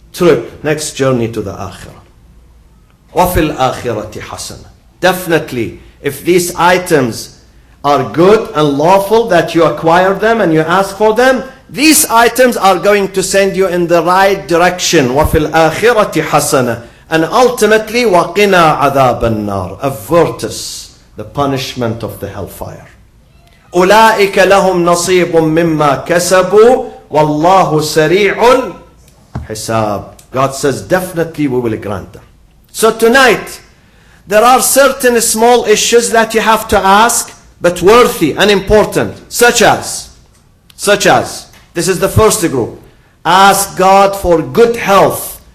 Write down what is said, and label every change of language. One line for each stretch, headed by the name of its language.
English: trip, next journey to the Akhirah.
Arabic: وَفِي الْآخِرَةِ حَسَنًا.
English: Definitely, if these items are good and lawful that you acquire them and you ask for them, these items are going to send you in the right direction.
Arabic: وَفِي الْآخِرَةِ حَسَنًا.
English: And ultimately,
Arabic: وَقِنَا عَذَابَ النَّارِ.
English: Avert us the punishment of the hellfire.
Arabic: أُولَٰئِكَ لَهُمْ نَصِيبٌ مِّمَّا كَسَبُوا وَاللَّهُ سَرِيعُ الْحِسَابِ.
English: God says, definitely we will grant them. So tonight, there are certain small issues that you have to ask, but worthy and important, such as, this is the first group, ask God for good health.